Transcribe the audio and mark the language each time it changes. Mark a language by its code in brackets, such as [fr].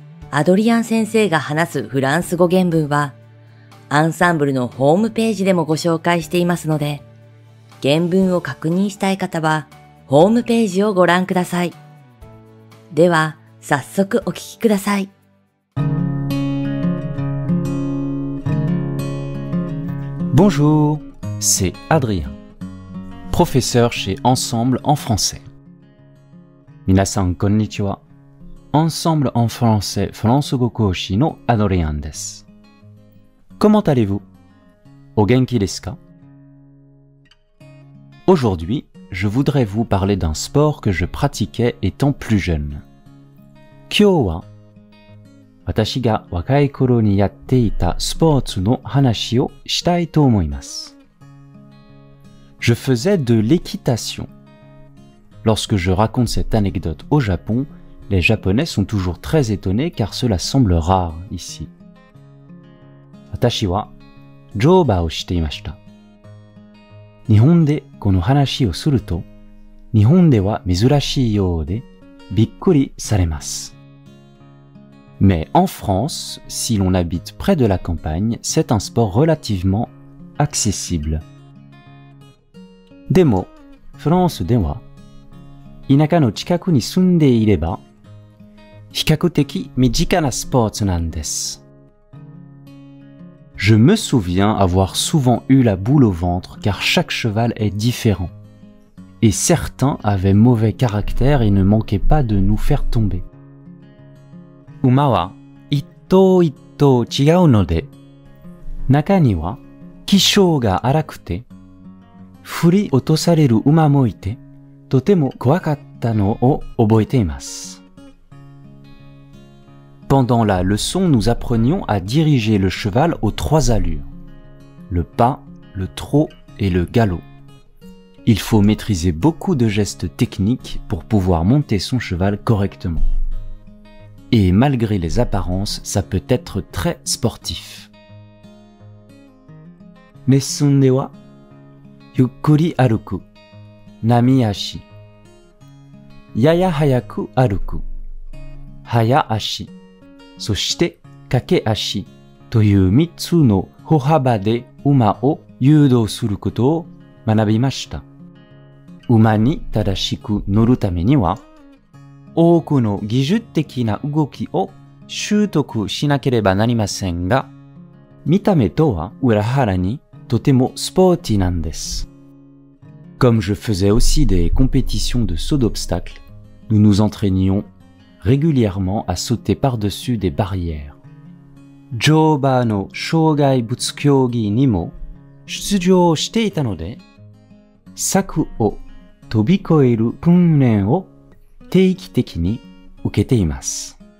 [ja] アドリアン先生が話すフランス語原文はアンサンブルのホームページでもご紹介していますので、原文を確認したい方はホームページをご覧ください。では、早速お聞きください。 [fr] Bonjour, c'est Adrien, professeur chez Ensemble en français. [ja] 皆さん、こんにちは。 Ensemble en français, フランス語講師のアドリアンです。 [fr] Comment allez-vous? [ja] お元気ですか? [fr] Aujourd'hui,Je voudrais vous parler d'un sport que je pratiquais étant plus jeune. [ja] 今日は、私が若い頃にやっていたスポーツの話をしたいと思います。 [fr] Je faisais de l'équitation. Lorsque je raconte cette anecdote au Japon, les Japonais sont toujours très étonnés car cela semble rare ici. [ja] 私は、乗馬をしていました。日本でこの話をすると、日本では珍しいようで、びっくりされます。 [fr] Mais en France, si l'on habite près de la campagne, c'est un sport relativement accessible. [ja] でも、フランスでは、田舎の近くに住んでいれば、比較的身近なスポーツなんです。 [fr] Je me souviens avoir souvent eu la boule au ventre car chaque cheval est différent. Et certains avaient mauvais caractère et ne manquaient pas de nous faire tomber. [ja] 馬は一頭一頭違うので、中には気性が荒くて、振り落とされる馬もいて、とても怖かったのを覚えています。 [fr] Pendant la leçon, nous apprenions à diriger le cheval aux trois allures. Le pas, le trot et le galop. Il faut maîtriser beaucoup de gestes techniques pour pouvoir monter son cheval correctement. Et malgré les apparences, ça peut être très sportif. [ja] レッスンでは、ゆっくり歩く、波足、やや早く歩く、早足、そして、駆け足という三つの歩幅で馬を誘導することを学びました。馬に正しく乗るためには、多くの技術的な動きを習得しなければなりませんが、見た目とは裏腹にとてもスポーティーなんです。 [fr] Comme je faisais aussi des compétitions de saut d'obstacle, nous nous entraînions régulièrement à sauter par-dessus des barrières. [ja] 乗馬の障害物競技にも出場していたので、柵を飛び越える訓練を定期的に受けています。